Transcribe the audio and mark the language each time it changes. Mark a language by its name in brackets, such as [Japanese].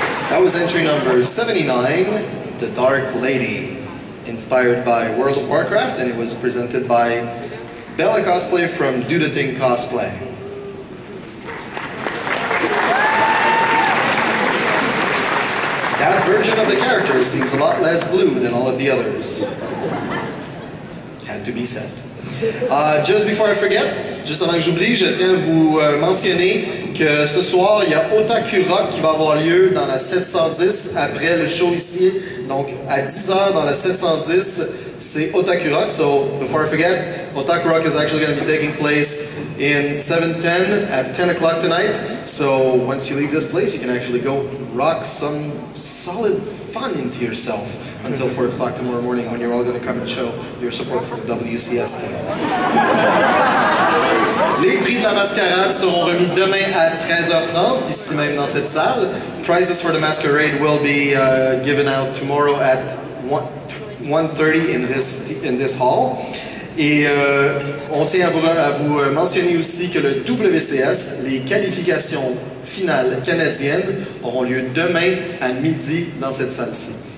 [English] That was entry number 79, The Dark Lady, inspired by World of Warcraft, and it was presented by Bella Cosplay from Do The Thing Cosplay. That version of the character seems a lot less blue than all of the others. Had to be said. Just before I forget, [French] juste avant que j'oublie, je tiens à vous mentionner que ce soir, il y a Otaku Rock qui va avoir lieu dans la 710 après le show ici. Donc, à 10h dans la 710, c'est Otaku Rock. [English] So, before I forget, Otaku Rock is actually going to be taking place in 710 at 10 o'clock tonight. So, once you leave this place, you can actually go rock some solid fun into yourself until 4 o'clock tomorrow morning when you're all going to come and show your support for the WCS team. [French] Les prix de la mascarade seront remis demain à 13h30, ici même dans cette salle. [English] Prizes for the masquerade will be given out tomorrow at 1:30 in this hall. [French] Et on tient à vous mentionner aussi que le WCS, les qualifications finales canadiennes, auront lieu demain à midi dans cette salle-ci.